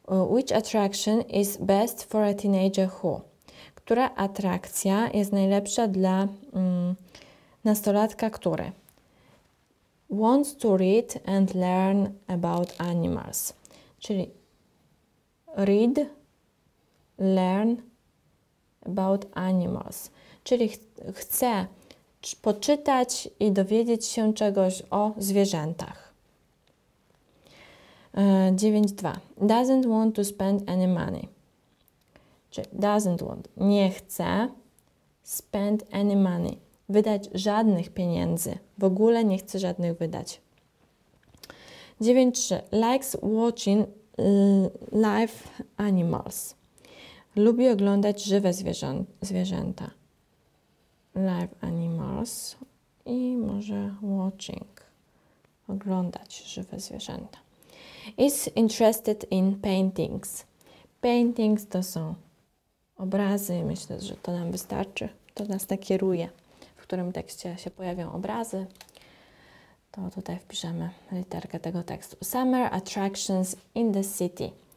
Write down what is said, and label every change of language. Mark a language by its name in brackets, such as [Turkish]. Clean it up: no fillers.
[English] Which attraction is best for a teenager who? [Polish] Która atrakcja jest najlepsza dla nastolatka, który? [English] Wants to read and learn about animals. [Polish] Czyli [English] read, learn about animals. [Polish] Czyli chce poczytać i dowiedzieć się czegoś o zwierzętach. 9.2. [English] Doesn't want to spend any money. [Polish] Czyli [English] doesn't want, [Polish] nie chce [English] spend any money. [Polish] Wydać żadnych pieniędzy. W ogóle nie chce żadnych wydać. 9.3. [English] Likes watching live animals. [Polish] Lubi oglądać żywe zwierzęta. [English] Live animals. [Polish] i może watching, oglądać żywe zwierzęta. [English] Is interested in paintings. [Polish] Paintings to są obrazy, myślę, że to nam wystarczy. To nas nakieruje, w którym tekście się pojawią obrazy. To tutaj wpiszemy literkę tego tekstu. [English] Summer attractions in the city.